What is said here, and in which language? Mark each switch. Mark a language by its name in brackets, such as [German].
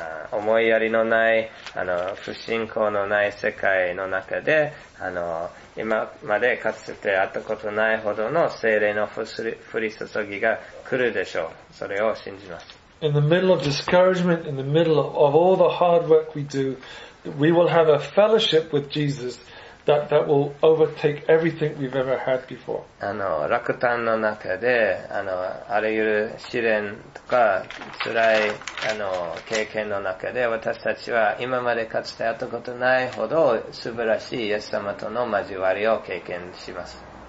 [Japanese] 思いやりのない、不信仰のない世界の中で、今までかつて会ったことないほどの聖霊の降り注ぎが来るでしょう。それを信じます。 [English] In the middle of discouragement, in the middle of all the hard work we do, we will have a fellowship with Jesus that will overtake everything we've ever had before. [Japanese] 落胆の中で、あらゆる試練とか辛い、経験の中で、私たちは今までかつてあったことないほど素晴らしいイエス様との交わりを経験します。